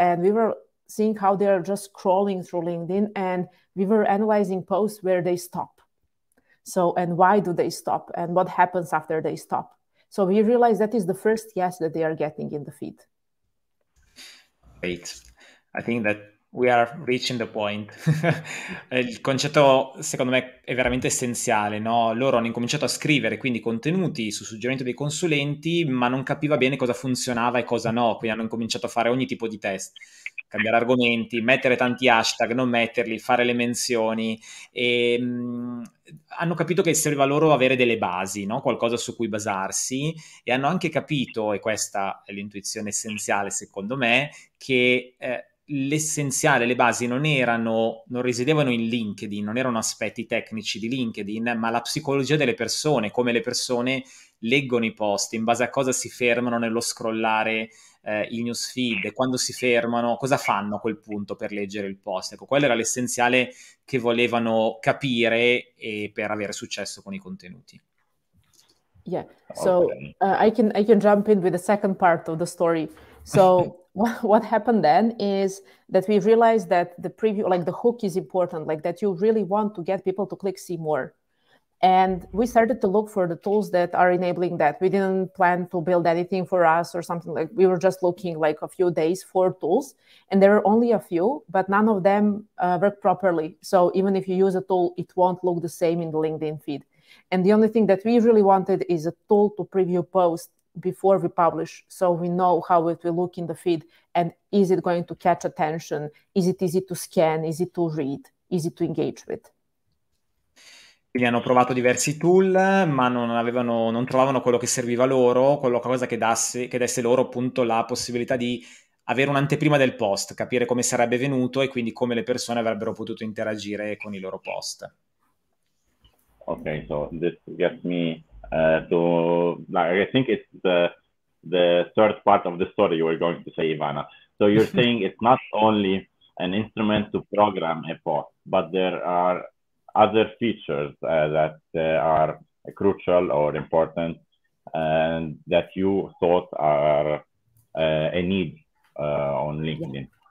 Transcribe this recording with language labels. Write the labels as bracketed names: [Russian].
[English] And we were seeing how they are just scrolling through LinkedIn, and we were analyzing posts where they stop. So, and why do they stop, and what happens after they stop? So we realized that is the first yes that they are getting in the feed. Great. I think that we are reaching the point. [Italian] Il concetto, secondo me, è veramente essenziale, no? Loro hanno incominciato a scrivere, quindi, contenuti su suggerimento dei consulenti, ma non capiva bene cosa funzionava e cosa no, quindi hanno incominciato a fare ogni tipo di test, cambiare argomenti, mettere tanti hashtag, non metterli, fare le menzioni, e hanno capito che serviva loro avere delle basi, no? Qualcosa su cui basarsi, e hanno anche capito, e questa è l'intuizione essenziale, secondo me, che... l'essenziale, le basi non risiedevano in LinkedIn, non erano aspetti tecnici di LinkedIn, ma la psicologia delle persone, come le persone leggono i post, in base a cosa si fermano nello scrollare il newsfeed, quando si fermano, cosa fanno a quel punto per leggere il post. Ecco, quello era l'essenziale che volevano capire e per avere successo con i contenuti. [English] Yeah, so I can jump in with the second part of the story. So what happened then is that we realized that the preview, like the hook is important, like that you really want to get people to click see more. And we started to look for the tools that are enabling that. We didn't plan to build anything for us or something, like we were just looking like a few days for tools. And there were only a few, but none of them work properly. So even if you use a tool, it won't look the same in the LinkedIn feed. And the only thing that we really wanted is a tool to preview posts before we publish, so we know how it will look in the feed, and is it going to catch attention? Is it easy to scan? Is it to read? Is it to engage with? [Italian] Quindi hanno provato diversi tool, ma non trovavano quello che serviva loro, qualcosa che desse loro appunto la possibilità di avere un'anteprima del post, capire come sarebbe venuto e quindi come le persone avrebbero potuto interagire con i loro post. [English] Okay, so this gets me So like, I think it's the third part of the story you were going to say, Ivana. So you're saying it's not only an instrument to program a post, but there are other features that are crucial or important and that you thought are a need on LinkedIn.